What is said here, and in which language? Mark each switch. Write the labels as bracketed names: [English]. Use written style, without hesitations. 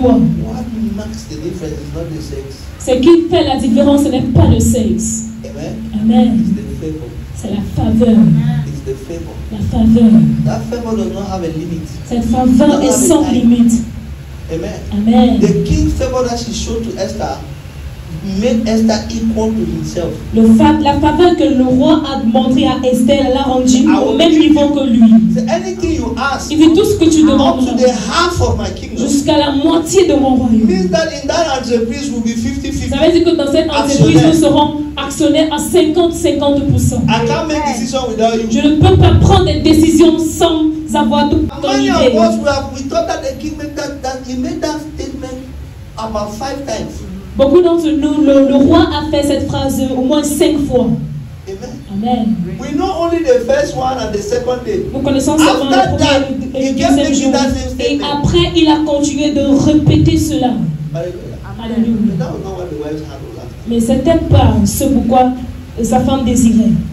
[English] What makes the difference is not the sex. [French] Ce qui fait la différence n'est pas le sexe. Amen. Amen. [English] It's the favor. [French] C'est la faveur. [English] It's the favor. [French] La faveur. [English] That favor does not have a limit. [French] Cette faveur est sans limite. Amen. Amen. [English] The king's favor that she showed to Esther made Esther equal to himself. [French] La faveur que le roi a demandé à Esther l'a rendu au même niveau que lui. [English] Anything you ask, [French] il dit tout ce que tu demandes. [English] Up to the half of my kingdom. [French] Jusqu'à la moitié de mon royaume. [English] Means that in that entreprise will be 50-50. [French] Ça veut dire que dans cette entreprise nous serons actionnaires à 50-50%. [English] I can't make decision without you. [French] Je ne peux pas prendre des décisions sans avoir tout ton idée. [English] Many of us we thought that the king made that he made that statement about 5 times. [French] Beaucoup d'entre nous, le roi a fait cette phrase au moins 5 fois. Amen. Amen. [English] We know only the first one and the second day. [French] Nous connaissons seulement [English] after [French] le premier et le deuxième jour. Et après, il a continué de répéter cela. Alléluia. Mais ce n'était pas ce pourquoi sa femme désirait.